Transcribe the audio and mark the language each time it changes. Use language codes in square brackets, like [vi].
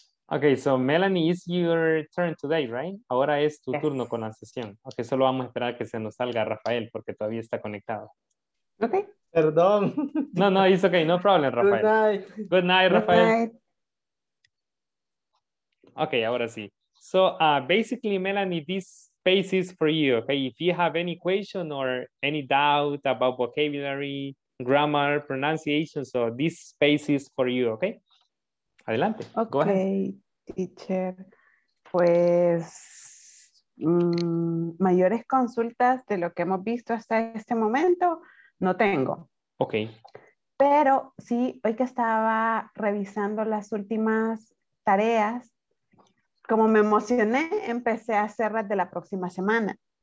[en] Okay, so Melanie, it's your turn today, right? [es] Ahora es tu turno con la sesión. Okay, solo vamos a esperar que se nos salga Rafael porque todavía está conectado. [en] Okay. [es] Perdón. [en] No, it's okay. No problem, Rafael. Good night, Rafael. [es] Okay, ahora sí. [en] So, basically, Melanie, this space is for you, okay? If you have any question or any doubt about vocabulary, grammar, pronunciation, so this space is for you, okay? [es] Adelante. [en] Okay, go ahead. Teacher. [es] Pues, mayores consultas de lo que hemos visto hasta este momento, no tengo. [en] Ok. [es] Pero sí, hoy que estaba revisando las últimas tareas, como me emocioné, empecé a hacerlas de la próxima semana.